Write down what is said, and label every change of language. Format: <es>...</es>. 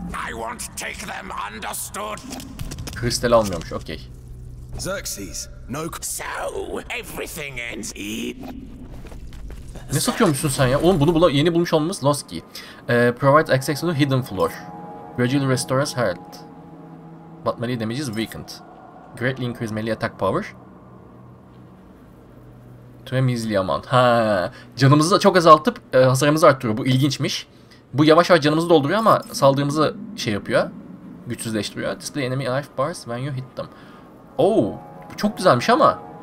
<en>I won't take them, understood.</en> <tr>Kristal almıyormuş, okey.</tr> <en>Xerxes, no. So, everything ends.</en> <tr>Ne satıyormuşsun sen ya? Oğlum bunu yeni bulmuş olmamız Lost Key.</tr> <en>Provide access to hidden floor. Gradually restores health. But melee damage is weakened. Greatly increase melee attack power. To a measly amount.</en> <tr>Ha, canımızı da çok azaltıp hasarımızı arttırıyor. Bu ilginçmiş. Bu yavaş yavaş canımızı dolduruyor ama saldırımızı şey yapıyor. Güçsüzleştiriyor.</tr> <en>Display enemy life bars when you hit them. Oh,</en> <tr>bu çok güzelmiş ama.</tr>